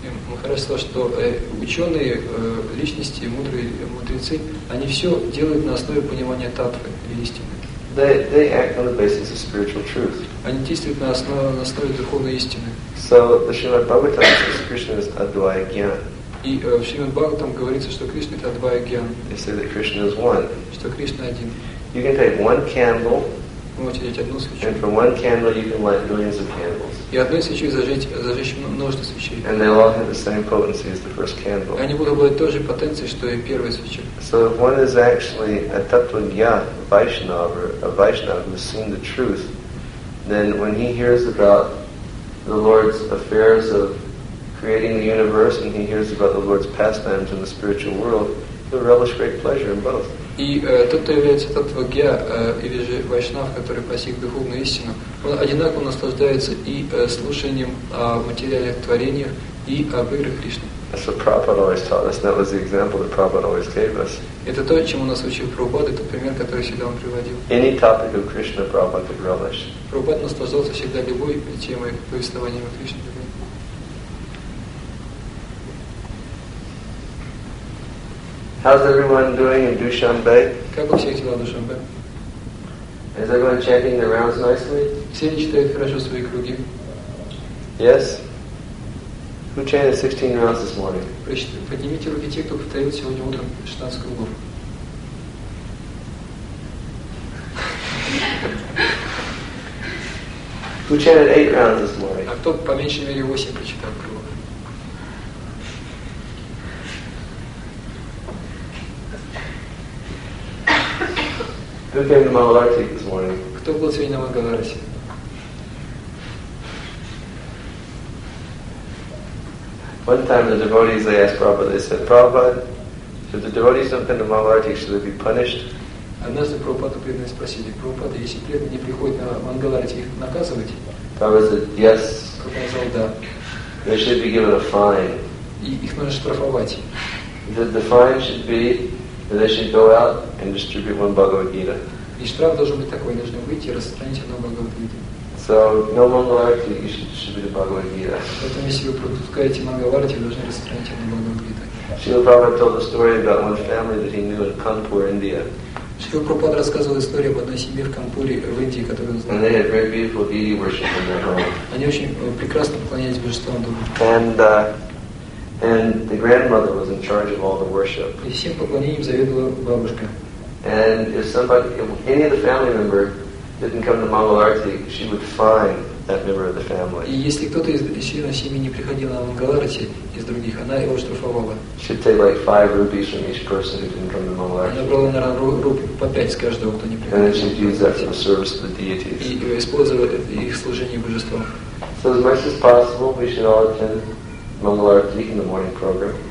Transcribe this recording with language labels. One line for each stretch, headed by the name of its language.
Russian: Махарадж сказал, что ученые, личности, мудрые мудрецы, они все делают на основе понимания таттвы и истины.
English: They act on the basis of spiritual truth.
Russian: Они действуют на основе духовной истины.
English: So the Srimad Bhagavatam says Krishna is Advaita Gyan.
Russian: И в Шримад Бхагаватам говорится, что Кришна это Адвайта Гьян.
English: They say that Krishna is one.
Russian: Что Кришна один.
English: You can take one candle.
Russian: Вы можете взять одну свечу.
English: And from one candle you can light millions of candles.
Russian: И одной свечой зажечь множество свечей.
English: And they all have the same potency as the first candle.
Russian: Они будут обладать той же потенцией, что и первая свеча.
English: So if one is actually a tattvajna, a Vaishnava who's seen the truth, then when he hears about the Lord's affairs of creating the universe and he hears about the Lord's pastimes in the spiritual world, he'll relish great pleasure in both.
Russian: И тот, кто является таттвагья, или же вайшнав, который постиг духовную истину, он одинаково наслаждается и слушанием о материальных творениях, и об играх Кришны.
English: That's what Prabhupada always taught us, and that was the example that Prabhupada always gave us.
Russian: Это то, чему нас учил Прабхупада, это пример, который всегда он приводил.
English: Any topic of Krishna, Prabhupada could relish.
Russian: Прабхупада наслаждался всегда любой темой повествования о Кришне.
English: How's everyone doing in Dushanbe?
Russian: Как у всех дела в Душанбе?
English: Is everyone chanting their rounds nicely?
Russian: Все ли читают хорошо свои круги?
English: Yes. Who chanted 16 rounds this morning?
Russian: Поднимите руки те, кто повторил сегодня утром 16 кругов.
English: Who chanted 8 rounds this morning?
Russian: А кто по меньшей мере 8 прочитал кругов?
English: Who came to Mangalarti this morning?
Russian: Кто был сегодня на Мангаларти?
English: One time the devotees they asked Prabhupada, they said, Prabhupada, if the devotees don't come to Mangalarti, should they be punished?
Russian: Однажды Прабхупаду преданные спросили, Прабхупада, если преданные не приходят на Мангаларти, их наказывать?
English: Prabhupada said, yes.
Russian: Прабхупада сказал, да.
English: They should be given a fine.
Russian: И их нужно штрафовать.
English: The fine should be that they should go out and distribute one Bhagavad Gita.
Russian: И штраф должен быть такой, должны выйти и распространить одну Бхагавад Гиту.
English: So, no Mangalarti, you should distribute Bhagavad Gita.
Russian: Поэтому, если вы пропускаете Мангаларти, должны распространить одну Бхагавад Гиту.
English: Srila Prabhupada told a story about one family that he knew in Kanpur, India.
Russian: Srila Prabhupada рассказывал историю об одной семье в Канпуре, в Индии, которую он знал.
English: And they had very beautiful deity worship in their home.
Russian: Они очень прекрасно поклонялись божествам дома.
English: And the grandmother was in charge of all the worship.
Russian: И всем поклонением заведовала бабушка.
English: And if any of the family member didn't come to Mangalarti, she would find that member of the family.
Russian: И если кто-то из членов семьи не приходил на Мангаларти из других, она его штрафовала.
English: She'd take like 5 rupees from each person who didn't come to Mangalarti.
Russian: Она брала, наверное, рупий по 5 с каждого, кто не приходил.
English: And she'd use that for service to the deities.
Russian: И использовала это их служение божествам.
English: So as much as possible, we should all attend Mangalarti in the morning program.